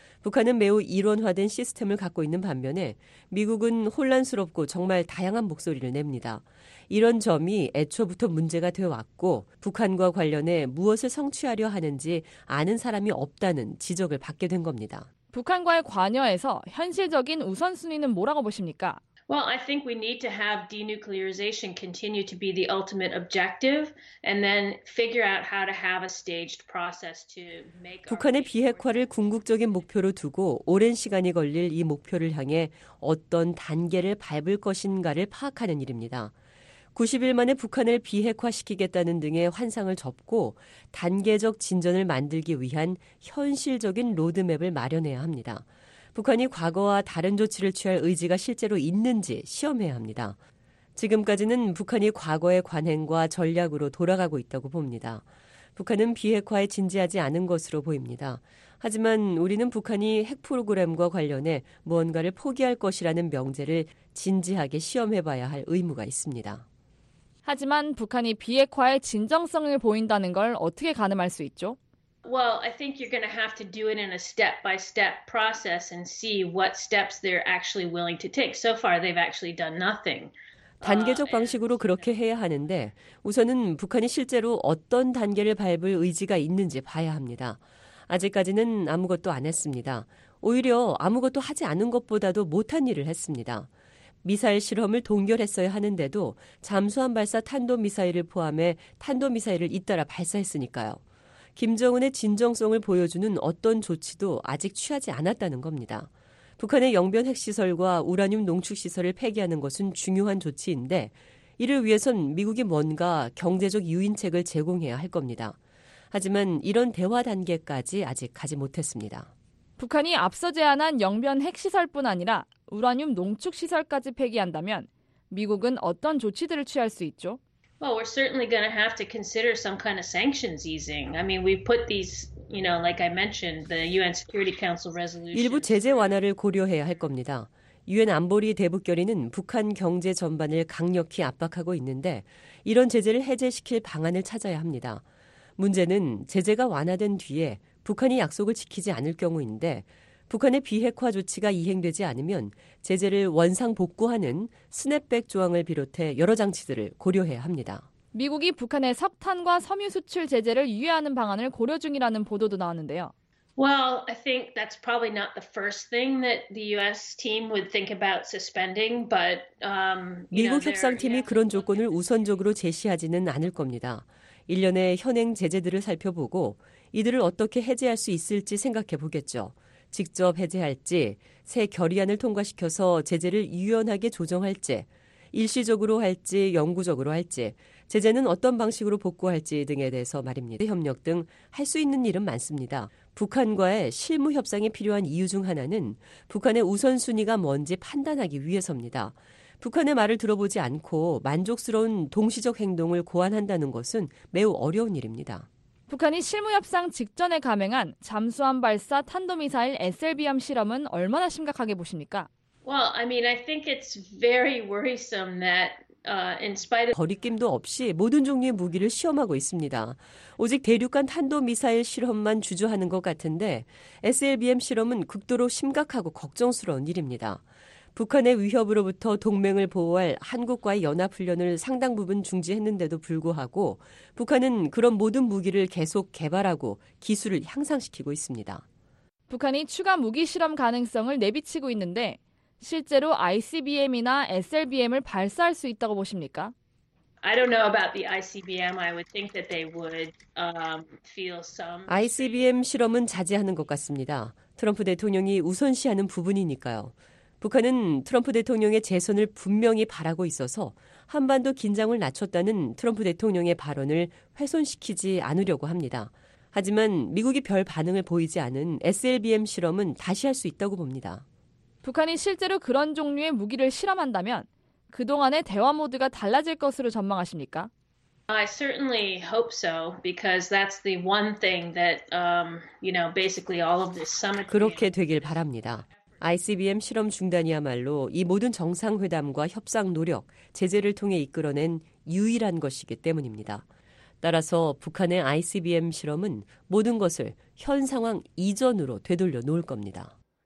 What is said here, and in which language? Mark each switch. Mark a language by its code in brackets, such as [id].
[ko] 북한은 매우 일원화된 시스템을 갖고 있는 반면에 미국은 혼란스럽고 정말 다양한 목소리를 냅니다. 이런 점이 애초부터 문제가 되어왔고 북한과 관련해 무엇을 성취하려 하는지 아는 사람이 없다는 지적을 받게 된 겁니다. 북한과의 관여에서 현실적인 우선순위는 뭐라고 보십니까? [en] Well, I think we need to have denuclearization continue to be the ultimate objective and then figure out how to have a staged process to make [ko] 북한의 비핵화를 궁극적인 목표로 두고 오랜 시간이 걸릴 이 목표를 향해 어떤 단계를 밟을 것인가를 파악하는 일입니다. 90일 만에 북한을 비핵화시키겠다는 등의 환상을 접고 단계적 진전을 만들기 위한 현실적인 로드맵을 마련해야 합니다. 북한이 과거와 다른 조치를 취할 의지가 실제로 있는지 시험해야 합니다. 지금까지는 북한이 과거의 관행과 전략으로 돌아가고 있다고 봅니다. 북한은 비핵화에 진지하지 않은 것으로 보입니다. 하지만 우리는 북한이 핵 프로그램과 관련해 무언가를 포기할 것이라는 명제를 진지하게 시험해봐야 할 의무가 있습니다. 하지만 북한이 비핵화의 진정성을 보인다는 걸 어떻게 가늠할 수 있죠? [en] Well, I think you're going to have to do it in a step-by-step process and see what steps they're actually willing to take. So far, they've actually done nothing. [ko] 단계적 방식으로 그렇게 해야 하는데 우선은 북한이 실제로 어떤 단계를 밟을 의지가 있는지 봐야 합니다. 아직까지는 아무것도 안 했습니다. 오히려 아무것도 하지 않은 것보다도 못한 일을 했습니다. 미사일 실험을 동결했어야 하는데도 잠수함 발사 탄도미사일을 포함해 탄도미사일을 잇따라 발사했으니까요. 김정은의 진정성을 보여주는 어떤 조치도 아직 취하지 않았다는 겁니다. 북한의 영변 핵시설과 우라늄 농축시설을 폐기하는 것은 중요한 조치인데 이를 위해선 미국이 뭔가 경제적 유인책을 제공해야 할 겁니다. 하지만 이런 대화 단계까지 아직 가지 못했습니다. 북한이 앞서 제안한 영변 핵시설뿐 아니라 우라늄 농축시설까지 폐기한다면 미국은 어떤 조치들을 취할 수 있죠? [en] Well, we're certainly going to have to consider some kind of sanctions easing. I mean, we put these, you know, like I mentioned, the UN Security Council resolution. [ko] 일부 제재 완화를 고려해야 할 겁니다. 유엔 안보리 대북결의는 북한 경제 전반을 강력히 압박하고 있는데 이런 제재를 해제시킬 방안을 찾아야 합니다. 문제는 제재가 완화된 뒤에 북한이 약속을 지키지 않을 경우인데 북한의 비핵화 조치가 이행되지 않으면 제재를 원상 복구하는 스냅백 조항을 비롯해 여러 장치들을 고려해야 합니다. 미국이 북한의 석탄과 섬유 수출 제재를 유예하는 방안을 고려 중이라는 보도도 나왔는데요. [en] Well, I think that's probably not the first thing that the U.S. team would think about suspending, but you know, [ko] 미국 협상팀이 그런 조건을 우선적으로 제시하지는 않을 겁니다. 일련의 현행 제재들을 살펴보고 이들을 어떻게 해제할 수 있을지 생각해 보겠죠. 직접 해제할지, 새 결의안을 통과시켜서 제재를 유연하게 조정할지, 일시적으로 할지, 영구적으로 할지, 제재는 어떤 방식으로 복구할지 등에 대해서 말입니다. 협력 등 할 수 있는 일은 많습니다. 북한과의 실무 협상이 필요한 이유 중 하나는 북한의 우선순위가 뭔지 판단하기 위해서입니다. 북한의 말을 들어보지 않고 만족스러운 동시적 행동을 고안한다는 것은 매우 어려운 일입니다. 북한이 실무 협상 직전에 감행한 잠수함 발사 탄도미사일 SLBM 실험은 얼마나 심각하게 보십니까? [en] Well, I mean, I think it's very worrisome that in spite of [ko] 거리낌도 없이 모든 종류의 무기를 시험하고 있습니다. 오직 대륙간 탄도미사일 실험만 주저하는 것 같은데 SLBM 실험은 극도로 심각하고 걱정스러운 일입니다. 북한의 위협으로부터 동맹을 보호할 한국과의 연합훈련을 상당 부분 중지했는데도 불구하고 북한은 그런 모든 무기를 계속 개발하고 기술을 향상시키고 있습니다. 북한이 추가 무기 실험 가능성을 내비치고 있는데 실제로 ICBM이나 SLBM을 발사할 수 있다고 보십니까? [en] I don't know about the ICBM. I would think that they would feel some [ko] ICBM 실험은 자제하는 것 같습니다. 트럼프 대통령이 우선시하는 부분이니까요. 북한은 트럼프 대통령의 재선을 분명히 바라고 있어서 한반도 긴장을 낮췄다는 트럼프 대통령의 발언을 훼손시키지 않으려고 합니다. 하지만 미국이 별 반응을 보이지 않은 SLBM 실험은 다시 할 수 있다고 봅니다. 북한이 실제로 그런 종류의 무기를 실험한다면 그동안의 대화 모드가 달라질 것으로 전망하십니까? [en] I certainly hope so because that's the one thing that you know basically all of this summit [ko] 그렇게 되길 바랍니다. ICBM 실험 중단이야말로 이 모든 정상회담과 협상 노력, 제재를 통해 이끌어낸 유일한 것이기 때문입니다. 따라서 북한의 ICBM 실험은 모든 것을 현 상황 이전으로 되돌려 놓을 겁니다.